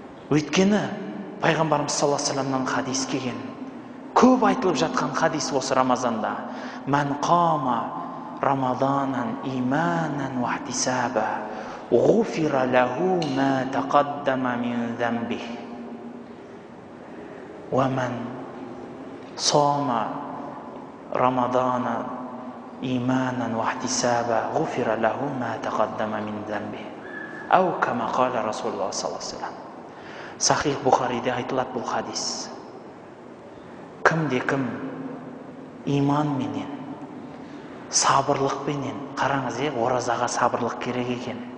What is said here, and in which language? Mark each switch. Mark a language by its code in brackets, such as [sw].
[kk] Өйткені пайғамбарымыз саллаллаһу алейхи ва саллямның хадис келген, көп айтылып жатқан хадис осы Рамазанда: [ar] «Мән қама Рамаданан иманан вахтисаба ғуфира ләху мә тақаддама мин зәмбих». وَمَنْ صَامَ رَمَضَانَ إِيمَانًا وَاحْتِسَابًا غُفِرَ لَهُ مَا تَقَدَّمَ مِنْ ذَنْبِهِ أو كما قال رسول الله صلى الله عليه وسلم. [ky] صحيح بخاري ده айтылат бул хадис. Кимде ким иман менен сабырлык менен, караңыз э, оразага сабырлык керек экен.